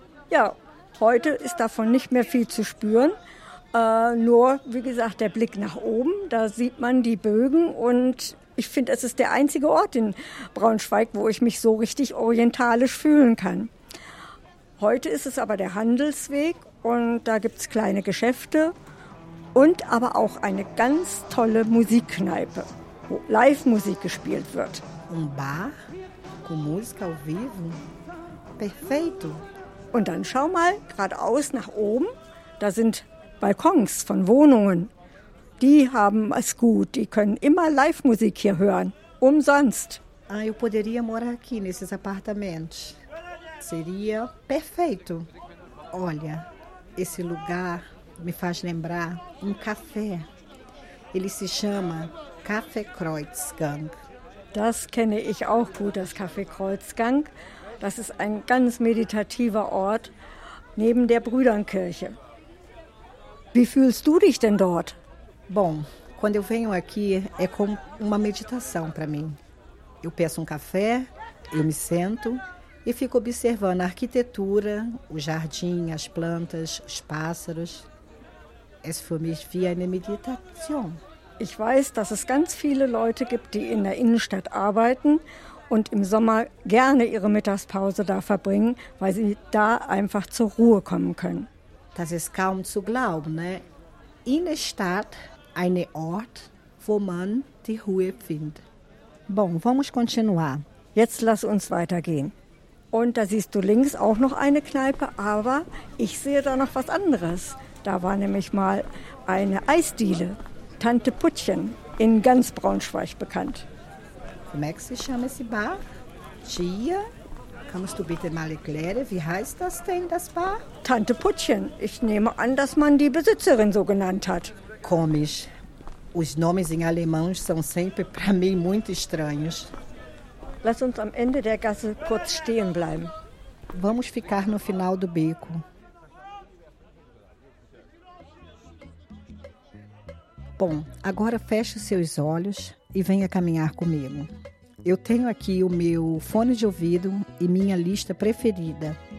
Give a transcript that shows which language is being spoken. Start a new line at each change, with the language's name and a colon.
German: Ja, heute ist davon nicht mehr viel zu spüren Nur, wie gesagt, der Blick nach oben, da sieht man die Bögen und ich finde, es ist der einzige Ort in Braunschweig, wo ich mich so richtig orientalisch fühlen kann. Heute ist es aber der Handelsweg und da gibt es kleine Geschäfte und aber auch eine ganz tolle Musikkneipe, wo Live-Musik gespielt wird.
Portuguese: Um Bar, com música ao vivo, perfeito.
German: Und dann schau mal geradeaus nach oben, da sind Balkons von Wohnungen. Die haben es gut, die können immer Live-Musik hier hören, umsonst.
Portuguese: Ah, eu poderia morar aqui nesses apartamentos. Seria perfeito. Olha, esse lugar me faz lembrar um café. Ele se chama Café Kreuzgang.
German: Das kenne ich auch gut, das Café Kreuzgang. Das ist ein ganz meditativer Ort neben der Brüdernkirche. Wie fühlst du dich denn dort?
Portuguese: Bom, quando eu venho aqui é como uma meditação para mim. Eu peço café, eu me sento e fico observando a arquitetura, o jardim, as plantas, os pássaros.
German: Es für mich wie eine Meditation. Ich weiß, dass es ganz viele Leute gibt, die in der Innenstadt arbeiten und im Sommer gerne ihre Mittagspause da verbringen, weil sie da einfach zur Ruhe kommen können. Das ist kaum zu glauben, ne? Innenstadt, ein Ort, wo man die Ruhe findet.
Portuguese: Bom, vamos continuar.
German: Jetzt lass uns weitergehen. Und da siehst du links auch noch eine Kneipe, aber ich sehe da noch was anderes. Da war nämlich mal eine Eisdiele, Tante Puttchen, in ganz Braunschweig bekannt.
Portuguese: Como é que se chama esse bar?
German: Tia, kannst du bitte mal erklären, wie heißt das denn, das Bar? Tante Puttchen. Ich nehme an, dass man die Besitzerin so genannt hat. Komisch.
Portuguese: Os nomes em alemão são sempre para mim muito estranhos.
German: Lass uns am Ende der Gasse kurz stehen bleiben.
Portuguese: Vamos ficar no final do beco. Bom, agora feche os seus olhos e venha caminhar comigo. Eu tenho aqui o meu fone de ouvido e minha lista preferida.